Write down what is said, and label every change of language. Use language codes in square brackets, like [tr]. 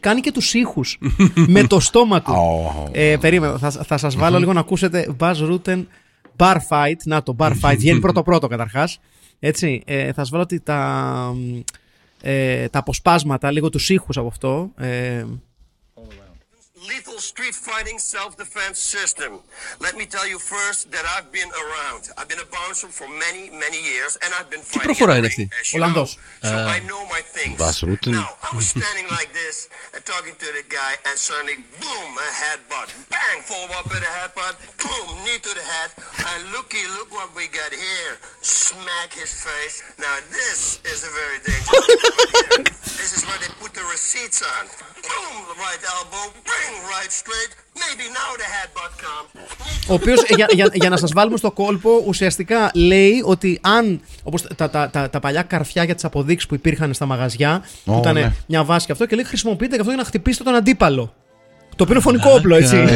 [el] Κάνει και τους ήχους με το στόμα του. Περίμενε, θα σας βάλω λίγο να ακούσετε Buzz Rutten bar fight. Να το bar fight, βγαίνει πρώτο καταρχάς. Έτσι, θα σας βάλω ότι τα αποσπάσματα, λίγο τους ήχους από αυτό. [en] Lethal street fighting self-defense system. Let me tell you first that I've been around. I've been a bouncer for many, many years and I've been fighting. [el] Τι προφορά είναι αυτή? Ολλανδός. [en] So I know my things. Buzz Rutten. Now, I was standing like this, talking to the guy and suddenly, boom, a headbutt. Bang, forward with a headbutt. Boom, knee to the head. And look what we got here. Smack his face. Now, this is a very dangerous right. This is where they put the receipts on. Boom, right elbow. Bang. Right straight, maybe now the headbutt comes. [el] Ο οποίος, για να σας βάλουμε στο κόλπο, ουσιαστικά λέει ότι αν. Όπως τα παλιά καρφιά για τις αποδείξεις που υπήρχαν στα μαγαζιά, που ήταν μια βάση και αυτό, και λέει χρησιμοποιείτε και αυτό για να χτυπήσετε τον αντίπαλο. Το οποίο είναι φωνικό όπλο, έτσι.